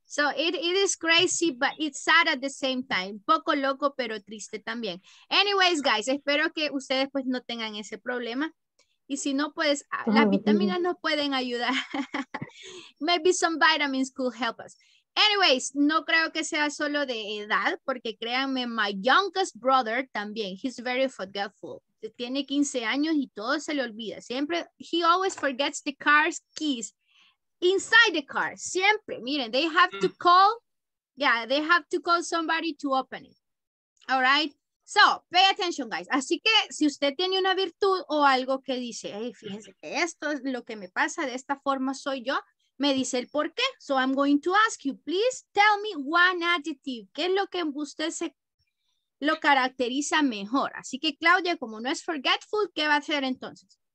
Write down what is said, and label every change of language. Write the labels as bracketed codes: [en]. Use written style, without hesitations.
[en] So it is crazy, but it's sad at the same time. [es] Poco loco, pero triste también. Anyways, guys, espero que ustedes pues no tengan ese problema. Y si no, pues las vitaminas no pueden ayudar. [en] Maybe some vitamins could help us. Anyways, [es] no creo que sea solo de edad, porque créanme, [en] my youngest brother [es] también, [en] he's very forgetful. [es] Tiene 15 años y todo se le olvida. Siempre, [en] he always forgets the car's keys inside the car. [es] Siempre, miren, [en] they have to call, yeah, they have to call somebody to open it. All right? So, pay attention, guys. [es] Así que, si usted tiene una virtud o algo que dice, hey, fíjense que esto es lo que me pasa, de esta forma soy yo, me dice el por qué. [en] So, I'm going to ask you, please tell me one adjective. [es] ¿Qué es lo que usted se lo caracteriza mejor? Así que, Claudia, como no es forgetful, ¿qué va a hacer entonces?